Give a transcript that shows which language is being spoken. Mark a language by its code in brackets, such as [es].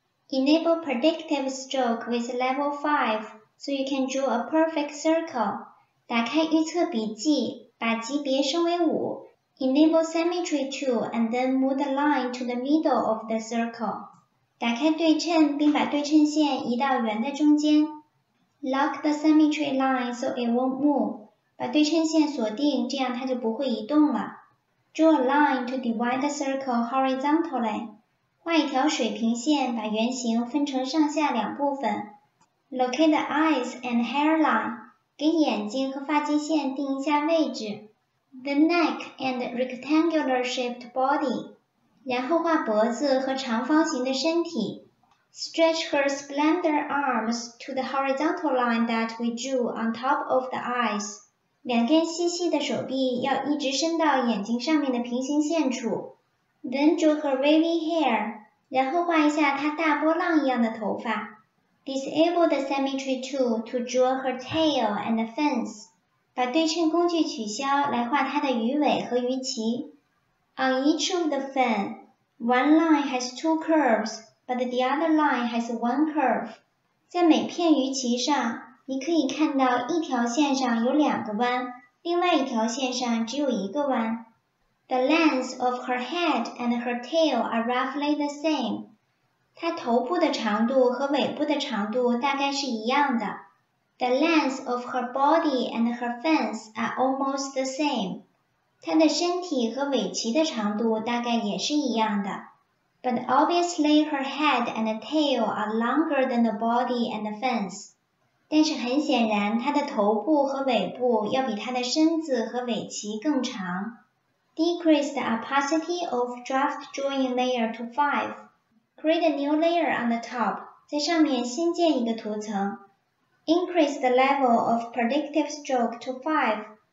[en] Enable Predictive Stroke with Level 5 so you can draw a perfect circle。 [zh] 打开预测笔记，把级别升为5。 [en] Enable Symmetry Tool and then move the line to the middle of the circle。 [zh] 打开对称，并把对称线移到圆的中间。 [en] Lock the symmetry line so it won't move. [zh] 把对称线锁定，这样它就不会移动了。 [en] Draw a line to divide the circle horizontally. [zh] 画一条水平线，把圆形分成上下两部分。 [en] Locate the eyes and hairline. [zh] 给眼睛和发际线定一下位置。 [en] The neck and rectangular shaped body. [zh] 然后画脖子和长方形的身体。 [en] Stretch her slender arms to the horizontal line that we drew on top of the eyes. [zh] 两根细细的手臂要一直伸到眼睛上面的平行线处。 [en] Then draw her wavy hair. [zh] 然后画一下她大波浪一样的头发。 [en] Disable the symmetry tool to draw her tail and the fins. [zh] 把对称工具取消，来画她的鱼尾和鱼鳍。 [en] On each of the fin, one line has two curves. But the other line has one curve. [zh] 在每片鱼鳍上，你可以看到一条线上有两个弯，另外一条线上只有一个弯。 [en] The length of her head and her tail are roughly the same. [zh] 她头部的长度和尾部的长度大概是一样的。 [en] The length of her body and her fins are almost the same. [zh] 她的身体和尾鳍的长度大概也是一样的。 [en] But obviously her head and tail are longer than the body and the fins. [zh] 但是很显然，她的头部和尾部要比她的身子和尾鳍更长。 [en] Decrease the opacity of draft drawing layer to 5. Create a new layer on the top. [zh] 在上面新建一个图层。 [en] Increase the level of predictive stroke to 5.